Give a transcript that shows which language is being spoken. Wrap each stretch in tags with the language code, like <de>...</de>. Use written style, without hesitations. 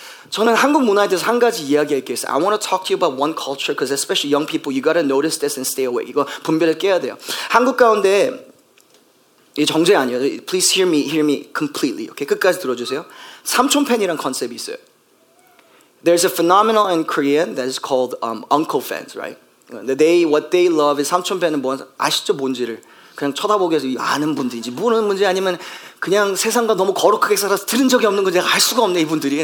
<ko>저는 한국 문화에 대해서 한 가지 이야기할게요.</ko> <en>I want to talk to you about one culture because especially young people, you got to notice this and stay awake.</en> <ko>이거 분별을 깨야 돼요. 한국 가운데, 이게 정죄 아니에요.</ko> <en>Please hear me completely. Okay?</en> <ko>끝까지 들어주세요. 삼촌팬이라는 컨셉이 있어요.</ko> <en>There's a phenomenon in Korean that is called uncle fans, right? What they love is</en> <ko>삼촌팬은 뭔 아시죠 뭔지를 그냥 쳐다보게 해서 아는 분들인지 모르는 분인지 아니면 그냥 세상과 너무 거룩하게 살아서 들은 적이 없는 건지 알 수가 없네 이분들이.</ko>